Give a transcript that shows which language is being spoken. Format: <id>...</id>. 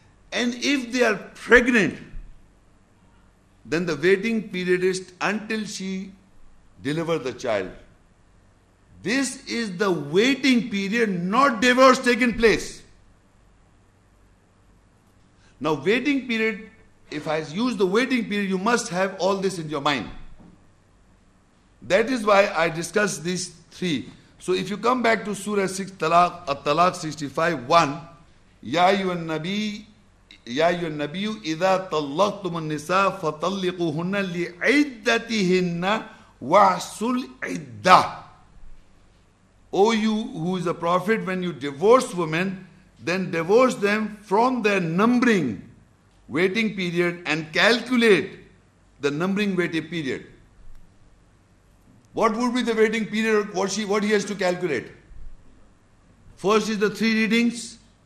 <en>And if they are pregnant, then the waiting period is until she delivers the child. This is the waiting period, not divorce taking place. Now, waiting period, if I use the waiting period, you must have all this in your mind. That is why I discuss these 3. So if you come back to Surah 6, Talaq, At-Talaq 65, 1,</en> <ar>يا أيها النبي إذا طلقتم النساء فطلقوهن لعدتهن واحصوا العدة.</ar> <en>O you who is a prophet, when you divorce women, then divorce them from their numbering waiting period and calculate the numbering waiting period. What would be the waiting period? What he has to calculate? First is the 3 readings.</en>